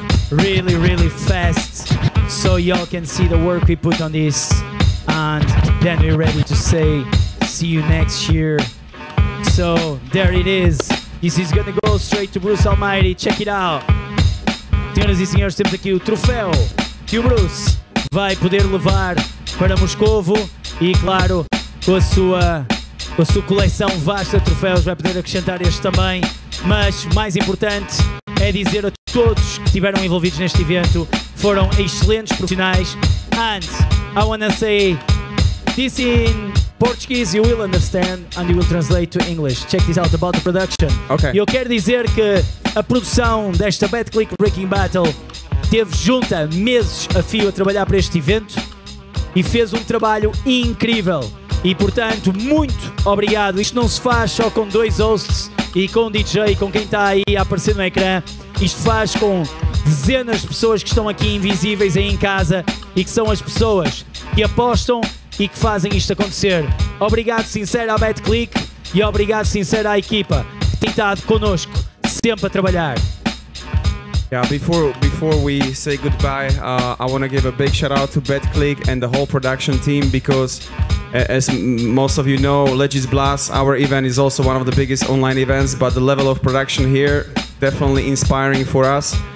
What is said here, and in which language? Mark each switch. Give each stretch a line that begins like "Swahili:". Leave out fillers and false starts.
English: Really, really fast. So y'all can see the work we put on this. And then we're ready to say, see you next year. So there it is. This is gonna go straight to Bruce Almighty. Check it out.
Portuguese: Senhoras e senhores, temos aqui o troféu que o Bruce vai poder levar para Moscovo. E claro, com a sua coleção vasta de troféus, vai poder acrescentar este também. Mas mais importante é dizer a todos que estiveram envolvidos neste evento, foram excelentes profissionais.
English: And I want to say this in Portuguese, you will understand, and you will translate to English. Check this out about the production. Okay.
Portuguese: Eu quero dizer que a produção desta Betclic Breaking Battle teve junta meses a fio a trabalhar para este evento e fez um trabalho incrível. E, portanto, muito obrigado. Isto não se faz só com dois hosts e com DJ, com quem está aí a aparecer no ecrã. Isto faz com dezenas de pessoas que estão aqui invisíveis aí em casa e que são as pessoas que apostam e que fazem isto acontecer. Obrigado sincero à Betclic e obrigado sincero à equipa que tem estado connosco sempre a trabalhar.
English: Yeah, before we say goodbye, I want to give a big shout out to Betclic and the whole production team, because as most of you know, Legis Blast, our event is also one of the biggest online events, but the level of production here definitely inspiring for us.